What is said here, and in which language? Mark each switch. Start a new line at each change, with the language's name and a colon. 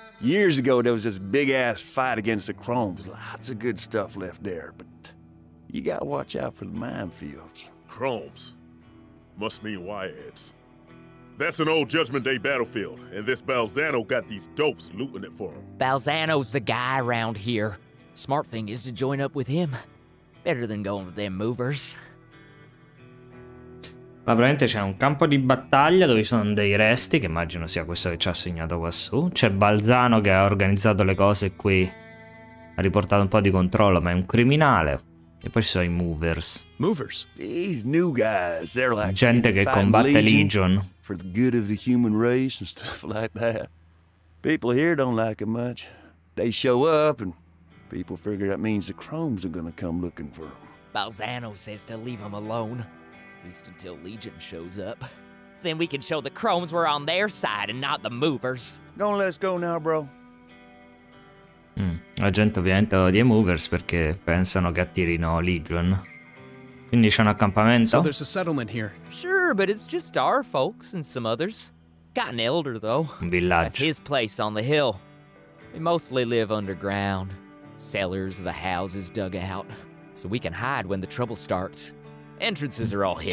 English: Years ago, there was this big-ass fight against the Chromes. Lots of good stuff left there, but you gotta watch out for the minefields. Chromes. Must mean wireheads. That's an old Judgment Day battlefield, and this Balzano got these dopes looting it for him. Balzano's the guy around here. Smart thing is to join up with him. Better than going with them movers.
Italian: Ma probabilmente c'è un campo di battaglia dove ci sono dei resti, che immagino sia questo che ci ha segnato quassù. C'è Balzano che ha organizzato le cose qui, ha riportato un po' di controllo, ma è un criminale. E poi ci sono i movers.
English: Movers? These new guys, they're like
Italian: gente che combatte Legion.
English: For the good of the human race and stuff like that. People here don't like it much. They show up and people figure that means the Chromes are gonna come looking for them. Balzano says to leave them alone. Until Legion shows up, then we can show the Chromes we're on their side and not the movers. Don't let us go now, bro.
Italian: La gente ovviamente odia i movers perché pensano che attirino Legion. Quindi c'è un accampamento.
English: So there's a settlement here. Sure, but it's just our folks and some others. Got an elder though.
Italian: Un villaggio.
English: That's his place on the hill. We mostly live underground. Cellars of the houses dug out, so we can hide when the trouble starts. Entrances are all hidden.